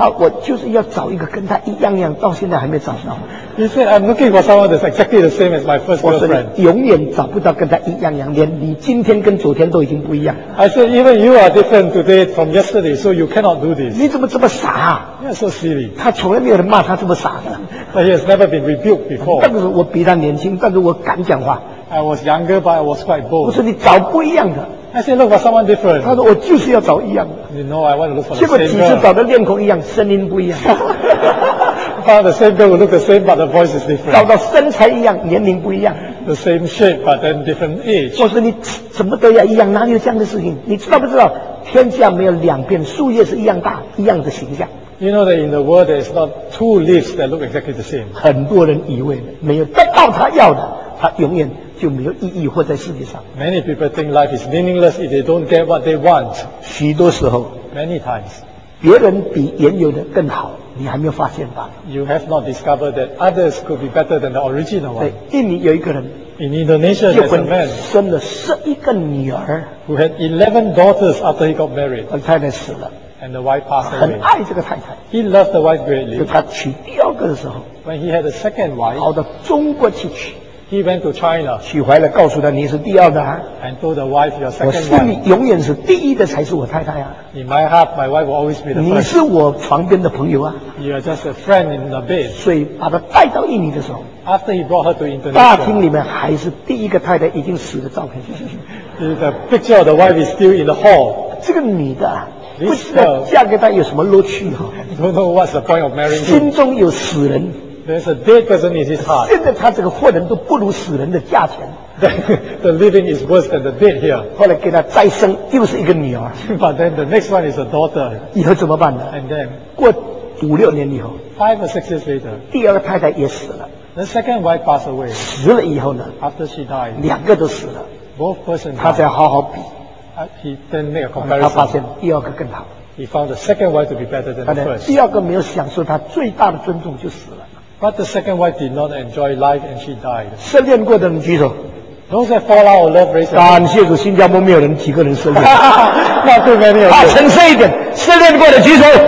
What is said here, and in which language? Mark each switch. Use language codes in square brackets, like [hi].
[zh] 我就是要找一个跟他一样样到现在还没找到 [en] He said, I'm looking for someone that's exactly the same as my first girlfriend. [zh] 我说你永远找不到跟他一样样，连你今天跟昨天都已经不一样。 [en] I said, even you are different today from yesterday, so you cannot do this. [zh] 你怎么这么傻啊 [en] ？You're so silly. [zh] 他从来没有人骂他这么傻的。 [en] But he has never been rebuked before. [zh] 但是我比他年轻，但是我敢讲话。 [en] I was younger, but I was quite bold. [zh] 我说你找不一样的。 [en] I said, look for someone different. [zh] 他说我就是要找一样的。 [en] You know, I want to look for the same girl. [zh] 结果只是找的脸孔一样，声音不一样。 [en] Found the same girl, look the same, but the voice is different. [zh] 找到身材一样，年龄不一样。 [en] the same shape but then different age. [zh] 我说你怎么得呀？一样，哪里有这样的事情？你知道不知道？天下没有两片树叶是一样大，一样的形象。 [en] You know that in the world there is not two leaves that look exactly the same. [zh] 很多人以为没有得到他要的，他永远就没有意义或在世界上。 [en] Many people think life is meaningless if they don't get what they want. [zh] 许多时候 [en] ，many times， [zh] 别人比原有的更好，你还没有发现吧 [en] ？You have not discovered that others could be better than the original one. [zh] 对，印尼有一个人 [en] ，In Indonesia there's a man [zh] 生了11个女儿 [en] ，who had 11 daughters after he got married. [zh] 而太太死了。 [en] And the wife passed away. [zh] 很爱这个太太。 [en] He loved the wife greatly. [zh] 就他娶第二个的时候 [en] ，When he had a second wife， [zh] 跑到中国去娶。 [en] He went to China. [zh] 娶回来告诉他你是第二的、啊。 [en] And told the wife your second wife. [zh] 我心里永远是第一的才是我太太啊。 [en] In my heart, my wife will always be the first. [zh] 你是我床边的朋友啊。 [en] You are just a friend in the bed. [zh] 所以把他带到印尼的时候 [en] ，After he brought her to Indonesia， [zh] 大厅里面还是第一个太太已经死的照片。 [en] The picture of the wife is still in the hall. [zh] 这个女的。不知道嫁给他有什么乐趣哈、 [en] 啊、？Don't know what's the point of marrying him. [zh] 心中有死人。 [en] There's a dead person in his heart. [zh] 现在他这个活人都不如死人的价钱。 [en] The living is worse than the dead here. [zh] 后来给他再生又是一个女儿。 [en] But then the next one is a daughter. [zh] 以后怎么办呢 [en] ？And then [zh] 过五六年以后 [en] ，5 or 6 years later， [zh] 第二个太太也死了。 [en] The second wife passed away. [zh] 死了以后呢 [en] ？After she died， [zh] 两个都死了。 [en] Both persons. [zh] 他才好好比。 [en] He then made a comparison. [zh] 他发现第二个更好。 [en] He found the second wife to be better than the first. [zh] 第二个没有享受他最大的尊重就死了。 [en] But the second wife did not enjoy life and she died. [zh] 失恋过的人举手。 [en] Those that fall out of love race. [zh] 感谢主，新加坡没有人几个人失恋。那对面没有。啊，诚实一点，失恋过的举手。